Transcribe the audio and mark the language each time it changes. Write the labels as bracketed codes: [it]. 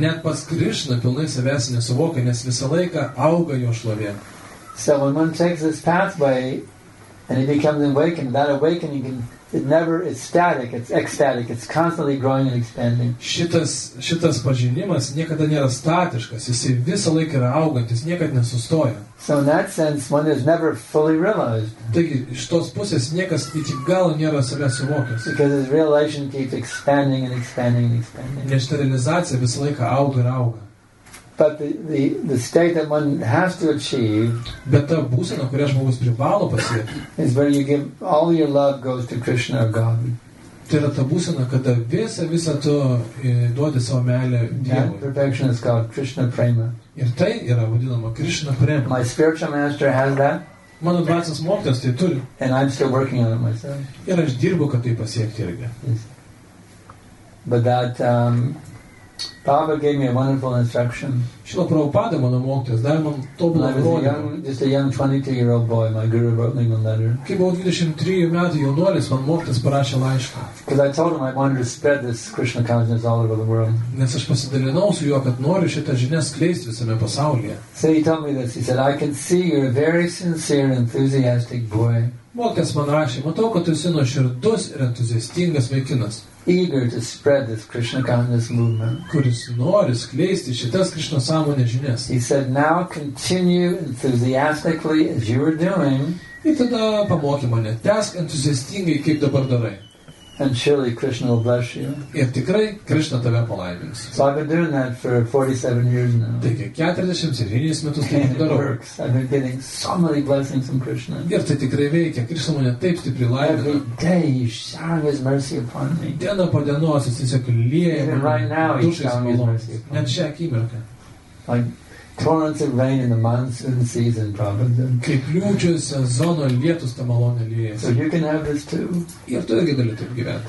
[lt] Net pas Krishna pilnai savęs nesuvokia, nes visą laiką auga jo šlovė. [en] So when one takes this pathway and he becomes awakened, that awakening can, it never is static, it's ecstatic, it's constantly growing and expanding. [lt] Šitas pažinimas niekada nėra statiškas, jis visą laiką yra augantis, niekad nesustoja. [en] So in that sense, one is never fully realized. [lt] Taigi, iš tos pusės niekas iki galo nėra savęs suvokęs. [en] Because his realization keeps expanding and expanding and expanding. [lt] Nes ta realizacija visą laiką auga ir auga. [en] But the state that one has to achieve, [lt] bet ta būsena, kurią žmogus privalo pasiekti, [en] is where you give all your love goes to Krishna or God. [lt] Tai yra ta būsena, kada visą tu duodi savo meilę Dievui. [en] That perfection is called Krishna Prema. [lt] Ir tai yra vadinama Krishna Prema. [en] My spiritual master has that. [lt] Mano dvasios mokytojas tai turi. [en] And I'm still working on it myself. [lt] Ir aš dirbu, kad tai pasiekti irgi. [en] Yes. But that Prabhupada gave me a wonderful instruction. [lt] Šilo Prabhupada, mano mokytojas, davė man tobulą nurodymą. [en] Just a young 22-year-old boy, my guru wrote me a letter. [lt] Kai buvau 23 metų jaunuolis, man mokytojas parašė laišką. [en] Because I told him I wanted to spread this Krishna consciousness all over the world. [lt] Nes aš pasidalinau su juo, kad noriu šitą žinią skleisti visame pasaulyje. [en] So he told me this. He said, I can see you're a very sincere, enthusiastic boy. [lt] Mokytojas man rašė, matau, kad tu esi nuoširdus ir entuziastingas vaikinas. [en] Eager to spread this Krishna consciousness movement. [lt] Kuris nori skleisti šitas Krishna sąmonės žinias. [en] He said, now continue enthusiastically as you were doing. [lt] Ir tada pamokė mane, tęsk entuziastingai, kaip dabar darai. [en] And surely Krishna will bless you. [lt] Ir tikrai Krishna tave palaimins. [en] So I've been doing that for 47 years now. [lt] Taigi 47 metus taip darau. [en] And it works. I've been getting so many blessings from Krishna. [lt] Ir tai tikrai veikia. Krishna mane taip stipriai laimina. [en] Every day he's showering his mercy upon me. [lt] Diena po dienos jis tiesiog lieja. [en] Even right now he's showering his mercy upon me. [lt] Net šią akimirką. [en] Like torrents of rain in the monsoon season, Prabhupada. [lt] Kaip liūčių sezono lietus tą malonę lieja. [en] So you can have this too. [lt] Ir tu irgi gali taip gyventi.